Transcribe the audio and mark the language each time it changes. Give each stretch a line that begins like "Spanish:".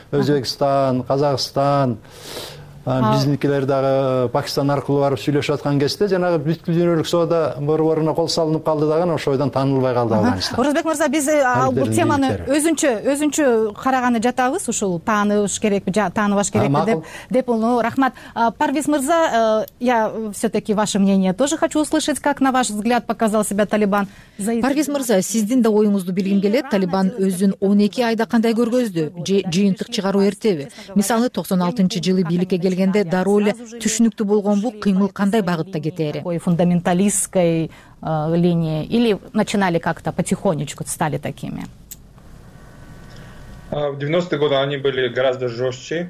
Kyrgyz: Өзбекстан, Казакстан, бизникилер дагы Пакистан аркылуу барып сүйлөшүп аткан кезде жанагы бүткүл дүйнөлүк соода борборуна кол салынып калды дагы, ошойдон таанылбай калды Афганистан. Орозбек мырза, биз бул теманы өзүнчө караганы жатабыз, ушул тааныш керекпи, тааныбаш керекпи деп. Рахмат.
Russian: Парвиз мырза, я все таки ваше мнение тоже хочу услышать, как на ваш взгляд показал себя Талибан.
Kyrgyz: Парвиз мырза, сиздин да оюңузду билгим келет. Талибан өзүн 12 айда кандай көргөздү? Же жыйынтык чыгаруу эртеби? Мисалы 96 жылы бийликке келгенде дароо эле түшүнүктүү болгонбу, кыймыл кандай багытта кетээри?
Russian: Ой, фундаменталистской линии или начинали как-то потихонечку стали такими? В 90-е годы они были гораздо жестче.